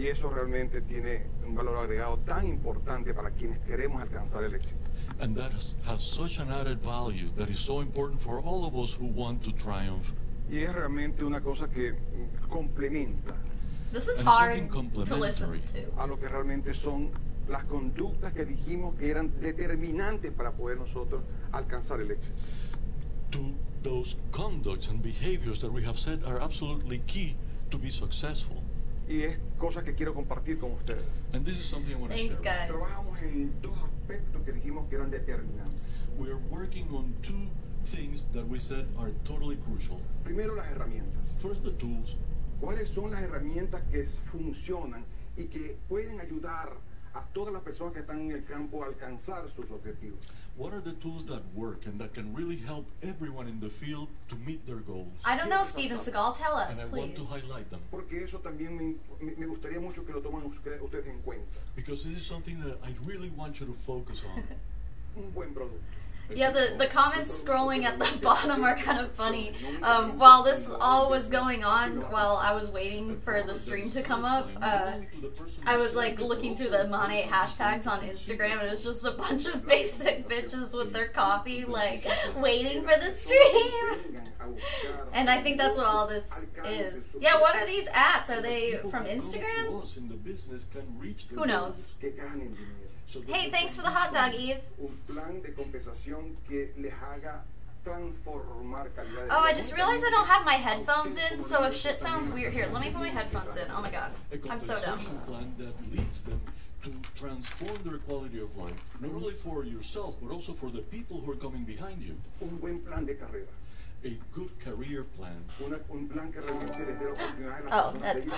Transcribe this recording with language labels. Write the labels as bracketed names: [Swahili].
[Spanish] Y eso realmente tiene un valor agregado tan importante para quienes queremos alcanzar el éxito. [English] And that has such an added value that is so important for all of us who want to triumph. [Spanish] Y es realmente una cosa que complementa. [English] This is hard to listen to. [Spanish] A lo que realmente son las conductas que dijimos que eran determinantes para poder nosotros alcanzar el éxito. [English] To those conducts and behaviors that we have said are absolutely key to be successful. [Spanish] Y es cosa que quiero compartir con ustedes. [English] And this is something I want to share. Thanks, guys. [Spanish] Trabajamos en dos aspectos que dijimos que eran determinantes. [English] We are working on two things that we said are totally crucial. [Spanish] Primero, las herramientas. [English] First, the tools. [Spanish] ¿Cuáles son las herramientas que funcionan y que pueden ayudar a todas las personas que están en el campo a alcanzar sus objetivos? [English] What are the tools that work and that can really help everyone in the field to meet their goals? I don't know, Steven Seagal, tell us, please. And I want to highlight them. [Spanish] Porque eso también me gustaría mucho que lo tomen ustedes en cuenta. [English] Because this is something that I really want you to focus on. [Spanish] Un buen producto. [English] Yeah, the comments scrolling at the bottom are kind of funny. While this all was going on, while I was waiting for the stream to come up, I was like looking through the Monat hashtags on Instagram, and it's just a bunch of basic bitches with their coffee, like, waiting for the stream. And I think that's what all this is. Yeah, what are these ads? Are they from Instagram? Who knows? Hey, thanks for the hot dog, Eve. [Spanish] Un plan de compensación que les haga transformar calidad. [English] Oh, I just realized I don't have my headphones in, so if shit sounds weird here, let me put my headphones in. Oh my god, I'm so dumb. A compensation plan that leads them to transform their quality of life, not only for yourself, but also for the people who are coming behind you. [Spanish] Un buen plan de carrera. [English] A good career plan. [Spanish] Un plan que realmente les dé la oportunidad.